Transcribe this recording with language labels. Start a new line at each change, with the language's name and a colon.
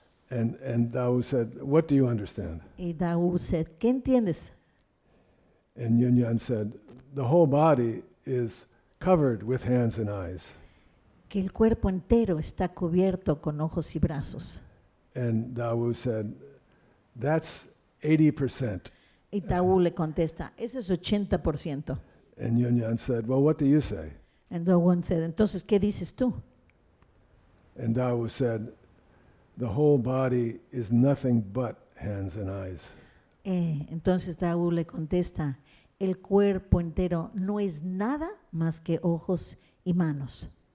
English: And Da Wu said, what do you understand?
Spanish: Y Da Wu said, ¿qué entiendes?
English: And Yunyan said, the whole body is covered with hands and eyes.
Spanish: Que el cuerpo entero está cubierto con ojos y brazos.
English: And Da Wu said, that's 80%.
Spanish: Y Da Wu le contesta, eso es 80%.
English: And Yunyan said, well, what do you say? And Da Wu said,
Spanish: entonces, ¿qué dices tú?
English: And Da Wu said, the whole body is nothing but hands and eyes.
Spanish: Entonces Da Wu le contesta, el cuerpo entero no es nada más que ojos y manos.